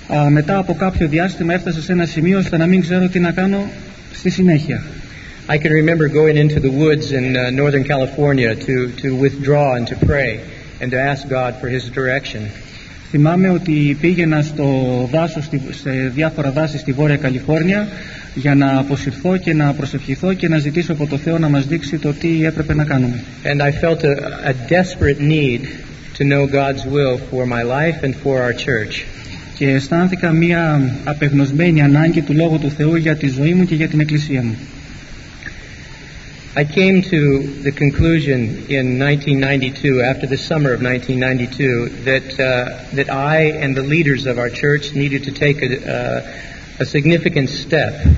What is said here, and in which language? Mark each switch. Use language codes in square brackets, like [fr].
[el] Μετά από κάποιο διάστημα έφτασα σε ένα σημείο ώστε να μην ξέρω τι να κάνω στη συνέχεια. [en] I can remember going into the woods in Northern California to withdraw and to pray and to ask God for His direction. [el] Θυμάμαι ότι πήγαινα στο δάσος, σε διάφορα δάση στη Βόρεια Καλιφόρνια για να αποσυρθώ και να προσευχηθώ και να ζητήσω από το Θεό να μας δείξει το τι έπρεπε να κάνουμε. [en] And I felt a desperate need to know God's will for my life and for our church. [el] Και αισθάνθηκα μια απεγνωσμένη ανάγκη του Λόγου του Θεού για τη ζωή μου και για την Εκκλησία μου. [en] I came to the conclusion in 1992, after the summer of 1992, that I and the leaders of our church needed to take a significant step.